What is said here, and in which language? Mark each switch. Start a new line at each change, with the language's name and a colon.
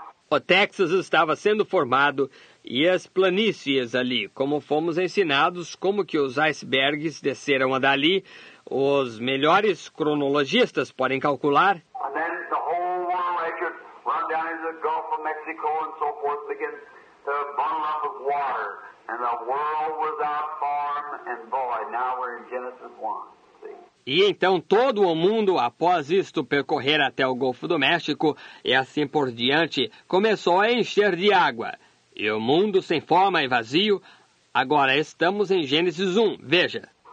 Portuguese: O Texas estava sendo formado e as planícies ali, como fomos ensinados, como que os icebergs desceram dali, os melhores cronologistas podem calcular.
English: And then the whole world record run down into the Gulf of Mexico and so forth began to bundle up with water. And the world without form and void. Now we're in Genesis 1.
Portuguese: E então todo o mundo, após isto percorrer até o Golfo do México e assim por diante, começou a encher de água. E o mundo sem forma e vazio, agora estamos em Gênesis 1, veja.